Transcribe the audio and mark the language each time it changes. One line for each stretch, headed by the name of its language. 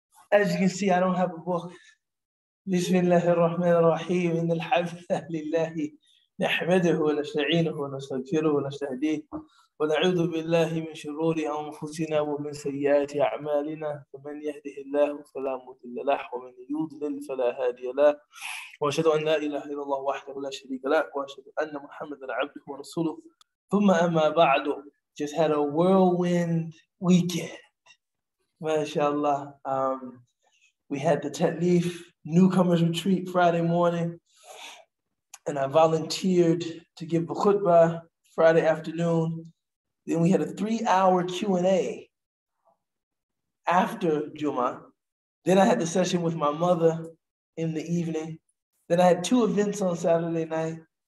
English: As you can see, I don't have a book.
Arabic: Bismillahirrahmanirrahim. Innal hamda lillah. نحمده ونستعينه ونستغفره ونستهديه ونعوذ بالله من شرور أنفسنا ومن سيئات أعمالنا فمن يهده الله فلا مضل له ومن يضلل فلا هادي له وأشهد أن لا إله إلا الله وحده لا شريك له وأشهد أن محمدا عبده ورسوله ثم أما بعد
English: just had a whirlwind weekend
Arabic: ما شاء الله
English: we had the Ta'lif newcomers retreat Friday morning. And I volunteered to give the khutbah Friday afternoon. Then we had a 3-hour Q&A after Jummah. Then I had the session with my mother in the evening. Then I had 2 events on Saturday night.